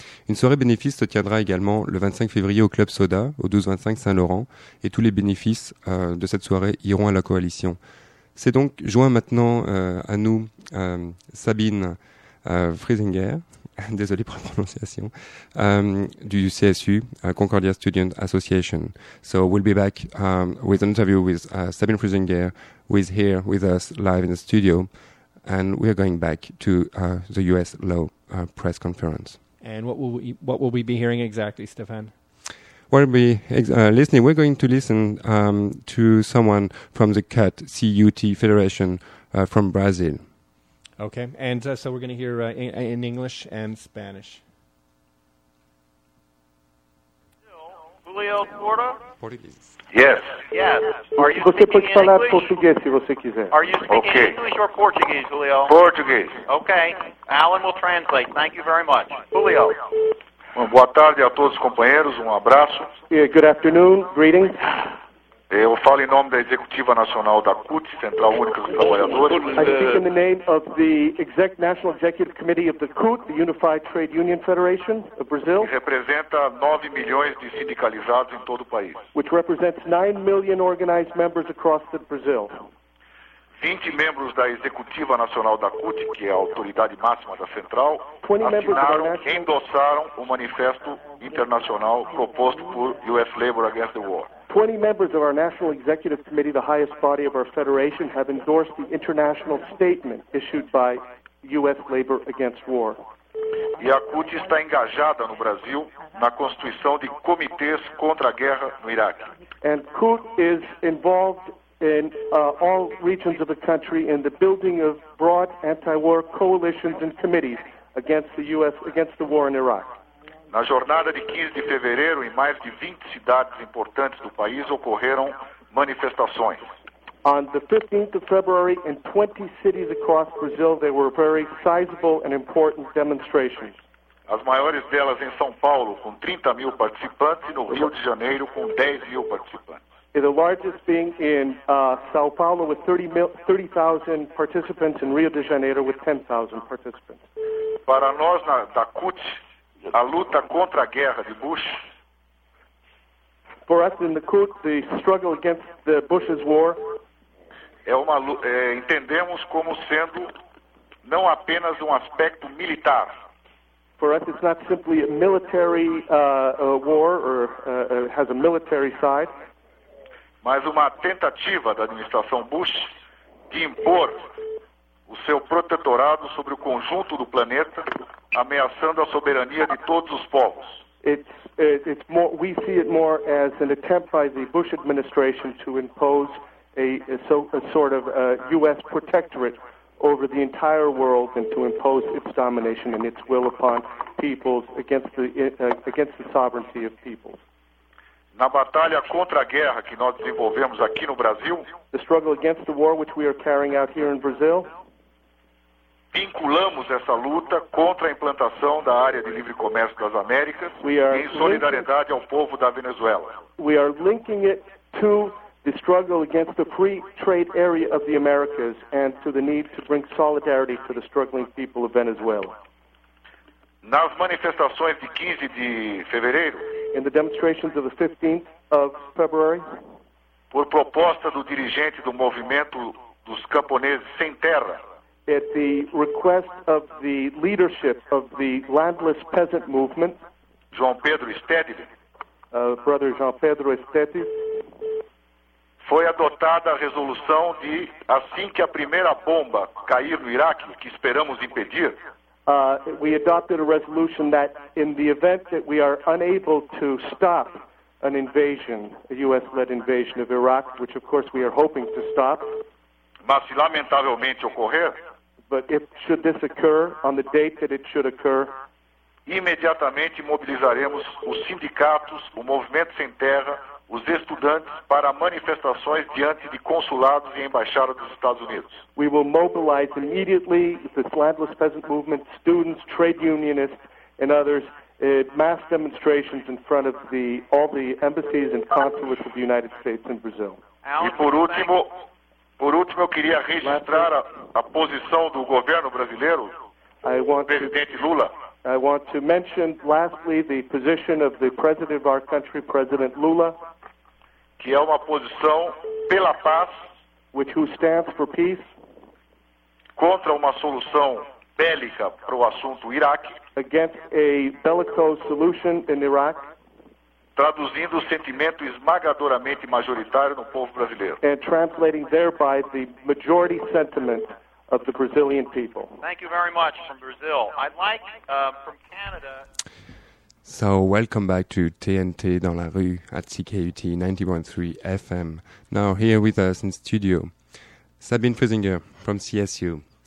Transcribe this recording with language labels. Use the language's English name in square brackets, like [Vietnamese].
[French] Une soirée bénéfice se tiendra également le 25 février au Club Soda, au 1225 Saint-Laurent, et tous les bénéfices de cette soirée iront à la coalition. C'est donc joint maintenant à nous Sabine Friesinger, désolé pour la prononciation, du CSU, Concordia Student Association. [English] So we'll be back with an interview with Sabine Friesinger, who is here with us live in the studio, and we are going back to the US Law press conference. And what will we be hearing exactly, Stefan? We'll be listening. We're going to listen to someone from the CUT, C-U-T Federation, from Brazil. Okay, and so we're going to hear in English and Spanish. Julio Porta? Portuguese. Yes. Yes. Are you speaking English? [Portuguese] Você pode falar português se você quiser. [English] Are you speaking okay. English or Portuguese, Julio? Portuguese. Okay. Alan will translate. Thank you very much. Julio. [Portuguese] Boa tarde a todos os companheiros. Um abraço. [English] Good afternoon. Greetings. [Portuguese] Eu falo em nome da Executiva Nacional da CUT, Central Única dos Trabalhadores. [English] I speak in the name of the National Executive Committee of the CUT, the Unified Trade Union Federation of Brazil. [Portuguese] Que representa 9 milhões de sindicalizados em todo o país. [English] Which represents 9 million organized members across the Brazil. [Portuguese] 20 membros da Executiva Nacional da CUT, que é a autoridade máxima da central, assinaram e endossaram o manifesto internacional proposto por US Labor Against the War. [English] 20 members of our National Executive Committee, the highest body of our federation, have endorsed the international statement issued by U.S. Labor Against War. [Portuguese] E a CUT está engajada no Brasil na constituição de comitês contra a guerra no Iraque. [English] And CUT is involved in all regions of the country in the building of broad anti-war coalitions and committees against the U.S. against the war in Iraq. [Portuguese] Na jornada de 15 de fevereiro, em mais de 20 cidades importantes do país, ocorreram manifestações. [English] On the 15th of February, in 20 cities across Brazil, there were very sizable and important demonstrations. [Portuguese] As maiores delas em São Paulo, com 30 mil participantes, e no Rio de Janeiro, com 10 mil participantes. [English] The largest being in São Paulo, with 30,000 participants, and Rio de Janeiro, with 10,000 participants. [Portuguese] Para nós, da CUT, a luta contra a guerra de Bush. [English] For us in the CUT, the struggle against the Bush's war. [Portuguese] É uma entendemos como sendo não apenas aspecto militar. [English] For us, it's not simply a military war or has a military side. [Portuguese] Mas uma tentativa da administração Bush de impor o seu protetorado sobre o conjunto do planeta, ameaçando a soberania de todos os povos. [English] We see it more as an attempt by the Bush administration to impose a sort of U.S. protectorate over the entire world and to impose its domination and its will upon peoples against the sovereignty of peoples. [Portuguese] Na batalha contra a guerra que nós desenvolvemos aqui no Brasil, [English] the struggle against the war which we are carrying out here in Brazil, [Portuguese] vinculamos essa luta contra a implantação da área de livre comércio das Américas em solidariedade ao povo da Venezuela. [English] We are linking it to the struggle against the free trade area of the Americas and to the need to bring solidarity to the struggling people of Venezuela. [Portuguese] Nas manifestações de 15 de fevereiro, [English] in the demonstrations of the 15th of February, [Portuguese] por proposta do dirigente do movimento dos camponeses sem terra, [English] at the request of the leadership of the landless peasant movement, [Portuguese] João Pedro Estévez, [English] brother João Pedro Estévez, [Portuguese] foi adotada a resolução de, assim que a primeira bomba cair no Iraque, que esperamos impedir, [English] We adopted a resolution that in the event that we are unable to stop an invasion, a U.S.-led invasion of Iraq, which of course we are hoping to stop, [Portuguese] mas se lamentavelmente ocorrer, [English] but if should this occur on the date that it should occur, [Portuguese] imediatamente mobilizaremos os sindicatos, o Movimento Sem Terra, os estudantes para manifestações diante de consulados e embaixadas dos Estados Unidos. [English] We will mobilize immediately the landless peasant movement, students, trade unionists, and others, mass demonstrations in front of all the embassies and consulates of the United States and Brazil. [Portuguese] E por último, eu queria registrar a posição do governo brasileiro, presidente Lula. [English] I want to mention, lastly, the position of the president of our country, President Lula, [Portuguese] que é uma posição pela paz, [English] which who stands for peace, [Portuguese] contra uma solução bélica para o assunto Iraque, [English] against a bellicose solution in Iraq, [Portuguese] traduzindo o sentimento esmagadoramente majoritário no povo brasileiro, [English] and translating thereby the majority sentiment of the Brazilian people. Thank you very much from Brazil. I'd like from Canada. So welcome back to TNT dans la rue at CKUT 91.3 FM. Now here with us in studio, Sabine Fusinger from CSU.